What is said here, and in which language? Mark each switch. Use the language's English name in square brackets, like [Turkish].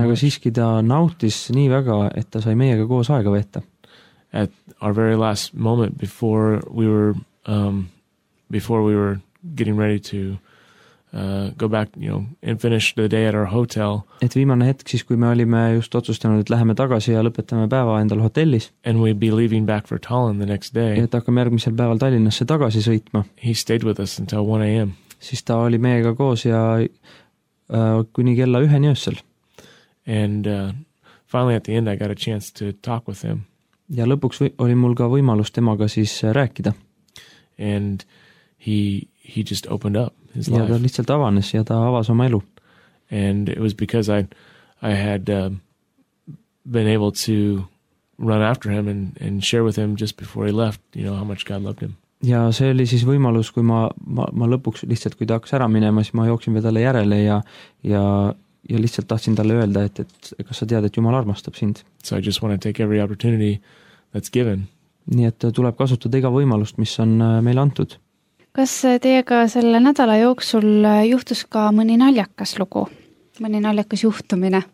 [Estonian] aga siiski ta nautis nii väga, et ta sai meiega koos aega veeta. [English] At our very last moment before we were getting ready to go back, you know, and finish the day at our hotel. [Estonian] Et viimane hetk siis, kui me olime just otsustanud, et läheme tagasi ja lõpetame päeva endal hotellis. [English] And we'd be leaving back for Tallinn the next day. [Estonian] Et hakkame järgmisel päeval Tallinnasse tagasi sõitma. [English] He stayed with us until 1 a.m. [Estonian] Siis ta oli meiega koos ja kuni kella ühe öösel. [English] And finally at the end I got a chance to talk with him. [Estonian] Ja lõpuks oli mul ka võimalus temaga siis rääkida. [English] And he just opened up his life. [Estonian] Ja ta lihtsalt avanes ja ta avas oma elu. [English] And it was because I had been able to run after him and share with him just before he left, you know, how much God loved him. [Estonian] Ja see oli siis võimalus, kui ma lõpuks lihtsalt, kui ta hakkas ära minema, siis ma jooksin vedale järele ja lihtsalt tahtsin talle öelda, et kas sa tead, et Jumal armastab sind. [English] So I just want to take every opportunity that's given. [Estonian] Nii et tuleb kasutada iga võimalust, mis on meil antud. Kas teiega selle nädala jooksul juhtus ka mõni naljakas lugu? Mõni naljakas juhtumine?